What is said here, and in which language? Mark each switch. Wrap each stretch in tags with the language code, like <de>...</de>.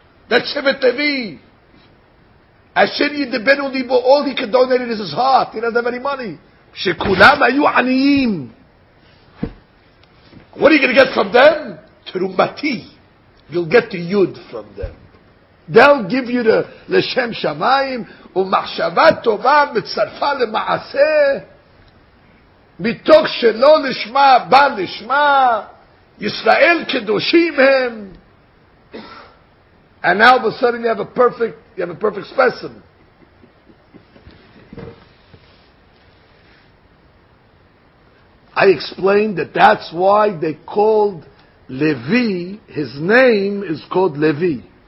<en>That's Shevet Levi.</en> <he>Asher yidibenu libo,</he> <en>all he could donate is his heart. He doesn't have any money.</en> <he>Shekulam ayu aniyim.</he> <en>What are you going to get from them? Terumati. You'll get the yud from them. They'll give you the Leshem Shamayim.</en> <he>ומחשבה טובה מצרפה למעשה מתוך שלא לשמה בא לשמה ישראל קדושים הם.</he> <en>And now all of a sudden you have a perfect specimen. I explained that that's why they called Levi, his name is called Levi.</en>